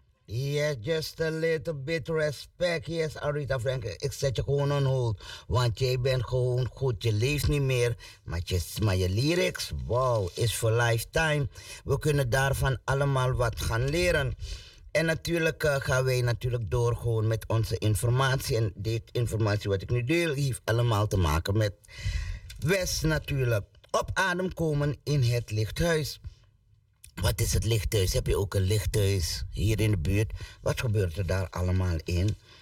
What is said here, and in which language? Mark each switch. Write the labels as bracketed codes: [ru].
[en] Yes, just a little bit respect. Yes, [nl] Aretha Franklin, ik zet je gewoon on hold. Want jij bent gewoon goed, je leeft niet meer. Maar je [en] lyrics, wow, is for lifetime. [nl] We kunnen daarvan allemaal wat gaan leren. En natuurlijk gaan wij natuurlijk door gewoon met onze informatie. En dit informatie wat ik nu deel, heeft allemaal te maken met West natuurlijk. Op adem komen in het lichthuis. Wat is het lichthuis? Heb je ook een lichthuis hier in de buurt? Wat gebeurt er daar allemaal in?